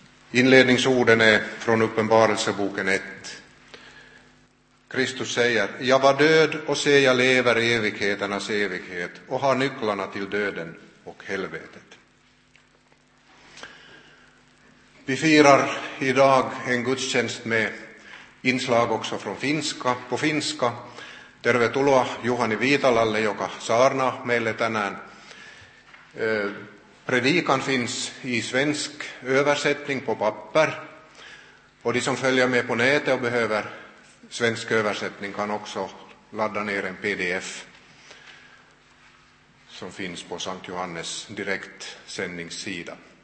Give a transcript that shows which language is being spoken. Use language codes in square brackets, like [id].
[sv] Inledningsorden är från Uppenbarelseboken 1. Kristus säger, jag var död och se jag lever i evigheternas evighet och har nycklarna till döden och helvetet. Vi firar idag en gudstjänst med inslag också från finska, på finska. [fi] Tervetuloa Juhani Viitalalle, joka saarnaa meille tänään. [sv] Predikan finns i svensk översättning på papper. Och de som följer med på nätet och behöver svensk översättning kan också ladda ner en pdf som finns på Sankt Johannes direkt sändningssida.